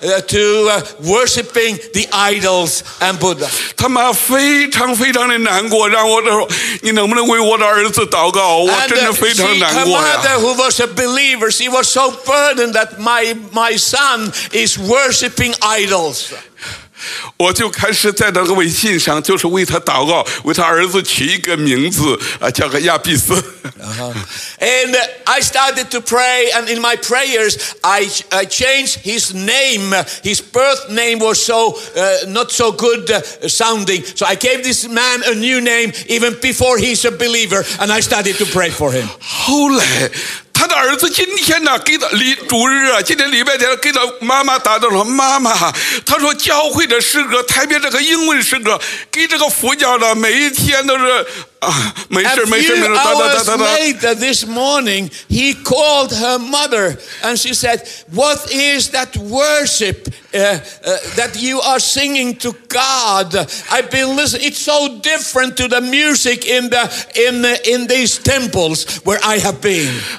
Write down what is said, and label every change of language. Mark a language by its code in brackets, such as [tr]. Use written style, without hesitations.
[en] And this man was very much worshipping the idols and Buddha. [zh] 他妈非常非常的难过，让我说，你能不能为我的儿子祷告？我真的非常难过呀。 [en] And her mother, who was a believer, she was so burdened that my son is worshipping idols. [zh] 我就开始在那个微信上，就是为他祷告，为他儿子取一个名字，叫个亚比斯。 [en] And I started to pray, and in my prayers, I changed his name. His birth name was not so good sounding. So I gave this man a new name even before he's a believer, and I started to pray for him. [zh] 后来 他的儿子今天呢，给他礼拜天给他妈妈打电话，妈妈，他说教会的诗歌，特别这个英文诗歌，给这个佛教的每一天都是啊，没事没事没事，哒哒哒哒哒。 [en] Later this morning, he called her mother, and she said, "What is that worship that you are singing to God? I've been listening. It's so different to the music in these temples where I have been."